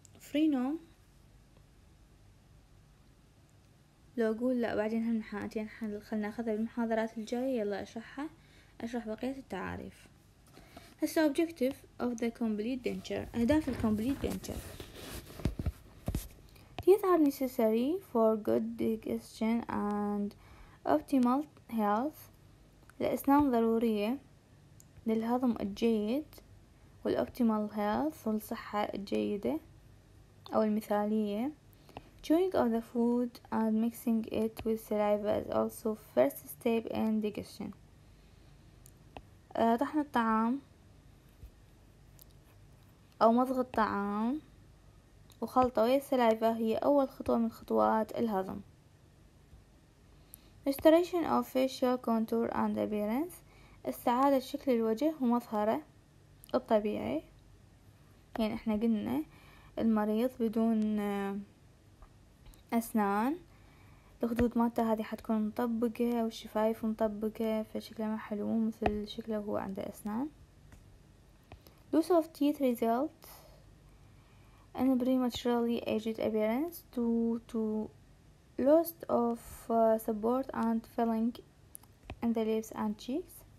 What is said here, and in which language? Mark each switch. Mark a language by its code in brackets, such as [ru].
[ar] فرينوم لو اقول لا بعدين هم حاتين خلنا ناخذها بالمحاضرات الجايه, يلا اشرحها, اشرح بقيه التعاريف. هسه اوبجكتيف اوف ذا كومبليت دينشر, اهداف الكومبليت دينشر. [en] These are necessary for good digestion and optimal health. [ar] الأسنان ضرورية للهضم الجيد والأوبتيمال هيلث, والصحة الجيدة أو المثالية. [en] chewing of the food and mixing it with saliva is also first step in digestion. [ar] طحن الطعام أو مضغ الطعام وخلطه ويا السلايفا هي أول خطوة من خطوات الهضم. [en] Restoration of facial contour and appearance, [ar] استعادة شكل الوجه ومظهره الطبيعي. يعني احنا قلنا المريض بدون اسنان الخدود مالته هذه حتكون مطبقة والشفايف مطبقة, فشكلها ما حلو مثل شكله هو عنده اسنان. [en] Loss of teeth result in prematurely aged appearance due to loss of support and filling in the lips and cheeks.